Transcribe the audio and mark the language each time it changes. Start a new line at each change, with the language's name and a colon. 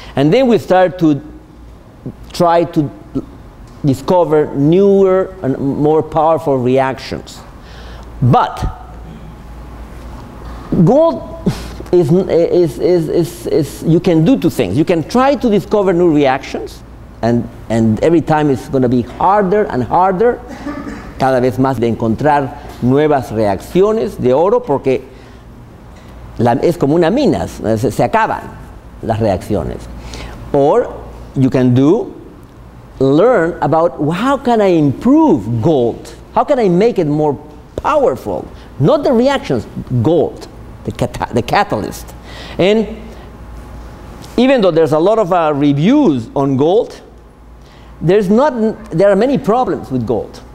English: And then we started to try to discover newer and more powerful reactions. But gold is you can do two things. You can try to discover new reactions, and every time it's going to be harder and harder.
Spanish: Cada vez más de encontrar nuevas reacciones de oro, porque es como una mina, se acaban las reacciones.
English: Or you can learn about how can I improve gold? How can I make it more powerful? Not the reactions, gold, the catalyst. And even though there's a lot of reviews on gold, there are many problems with gold.